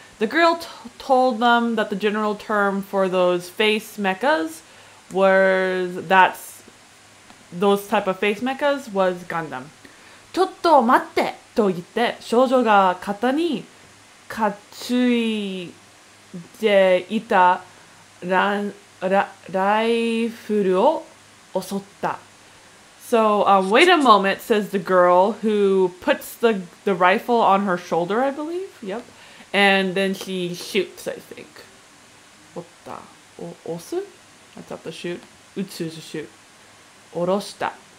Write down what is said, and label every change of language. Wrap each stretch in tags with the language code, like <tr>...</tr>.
<en>The girl told them that the general term for those face mechas was that's. Those type of face mechas was Gundam.</en> <ja>ちょっと待ってと言って少女が肩に担いでいたライフルを襲った。</ja> <en>So, wait a moment, says the girl who puts the rifle on her shoulder, I believe. Yep. And then she shoots, I think. What the?</en> <ja>押す?</ja> <en>That's up the shoot. 撃つ is a shoot.</en> <ja>おろした。</ja>